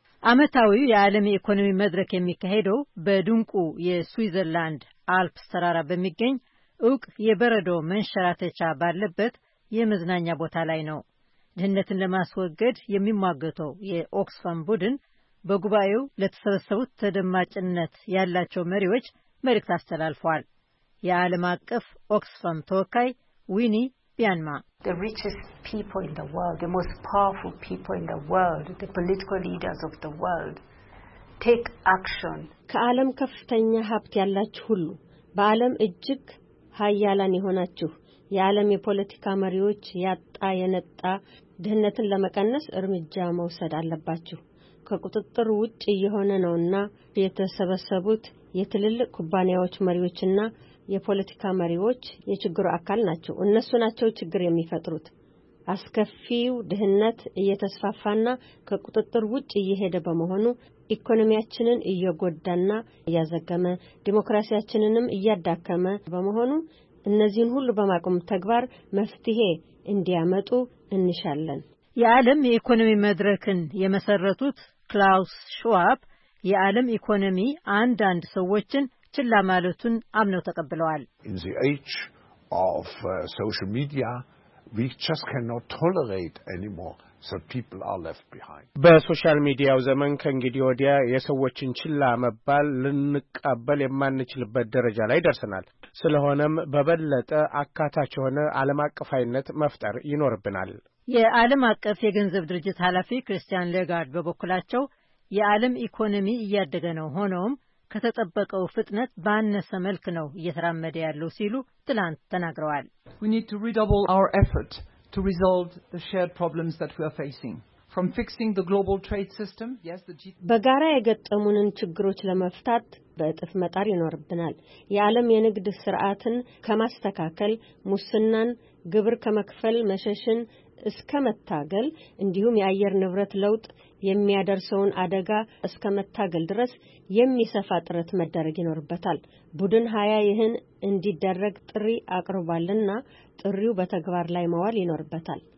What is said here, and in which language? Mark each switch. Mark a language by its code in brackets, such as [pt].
[am] ዓመታዊው የዓለም የኢኮኖሚ መድረክ የሚካሄደው በድንቁ የስዊዘርላንድ አልፕስ ተራራ በሚገኝ ዕውቅ የበረዶ መንሸራተቻ ባለበት የመዝናኛ ቦታ ላይ ነው። ድህነትን ለማስወገድ የሚሟገተው የኦክስፋም ቡድን በጉባኤው ለተሰበሰቡት ተደማጭነት ያላቸው መሪዎች መልእክት አስተላልፏል። የዓለም አቀፍ ኦክስፋም ተወካይ ዊኒ ቢያንማ [en] The richest people in the world, the most powerful people in the world, the political leaders of the world take action. [am] ከዓለም ከፍተኛ ሀብት ያላችሁ ሁሉ በዓለም እጅግ ሀያላን የሆናችሁ የዓለም የፖለቲካ መሪዎች ያጣ የነጣ ድህነትን ለመቀነስ እርምጃ መውሰድ አለባችሁ። ከቁጥጥር ውጪ የሆነ ነውና የተሰበሰቡት የትልልቅ ኩባንያዎች መሪዎችና የፖለቲካ መሪዎች የችግሩ አካል ናቸው። እነሱ ናቸው ችግር የሚፈጥሩት። አስከፊው ድህነት እየተስፋፋና ከቁጥጥር ውጪ እየሄደ በመሆኑ ኢኮኖሚያችንን እየጎዳና እያዘገመ ዲሞክራሲያችንንም እያዳከመ በመሆኑ እነዚህን ሁሉ በማቆም ተግባር መፍትሄ እንዲያመጡ እንሻለን። የዓለም የኢኮኖሚ መድረክን የመሰረቱት ክላውስ ሹዋብ የዓለም ኢኮኖሚ አንዳንድ ሰዎችን ችላ ማለቱን አምነው ተቀብለዋል። [en] In the age of social media, we just cannot tolerate anymore. So people are left behind. [am] በሶሻል ሚዲያው ዘመን ከእንግዲህ ወዲያ የሰዎችን ችላ መባል ልንቀበል የማንችልበት ደረጃ ላይ ደርሰናል። ስለሆነም በበለጠ አካታች ሆነ ዓለም አቀፋይነት መፍጠር ይኖርብናል። የዓለም አቀፍ የገንዘብ ድርጅት ኃላፊ ክርስቲያን ሌጋርድ በበኩላቸው የዓለም ኢኮኖሚ እያደገ ነው፣ ሆኖም ከተጠበቀው ፍጥነት ባነሰ መልክ ነው እየተራመደ ያለው ሲሉ ትላንት ተናግረዋል። [en] We need to redouble our effort. to resolve the shared problems that we are facing from fixing the global trade system yes the [am] በጋራ የገጠሙንን ችግሮች ለመፍታት በእጥፍ መጣር ይኖርብናል። የዓለም የንግድ ስርዓትን ከማስተካከል ሙስናን ግብር ከመክፈል መሸሽን እስከመታገል እንዲሁም የአየር ንብረት ለውጥ የሚያደርሰውን አደጋ እስከመታገል ድረስ የሚሰፋ ጥረት መደረግ ይኖርበታል። ቡድን 20 ይህን እንዲደረግ ጥሪ አቅርባልና ጥሪው በተግባር ላይ መዋል ይኖርበታል።